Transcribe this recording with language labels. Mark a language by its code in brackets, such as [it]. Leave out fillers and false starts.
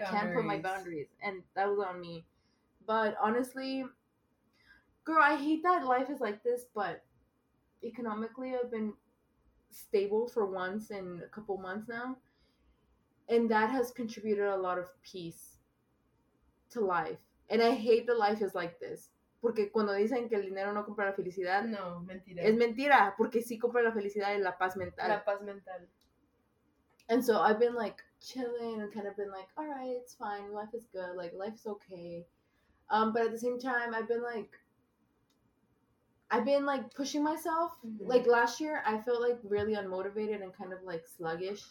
[en] Can't put my boundaries and that was on me. But honestly, girl, I hate that life is like this, but economically I've been stable for once in a couple months now. And that has contributed a lot of peace to life. And I hate that life is like this. [es] Porque cuando dicen que el dinero no compra la felicidad. No, mentira. Es mentira, porque sí compra la felicidad y la paz mental. La paz mental. [en] And so I've been like chilling and kind of been like, all right, it's fine. Life is good. Like, life's okay. But at the same time, I've been like pushing myself. Mm-hmm. Like last year, I felt like really unmotivated and kind of like sluggish.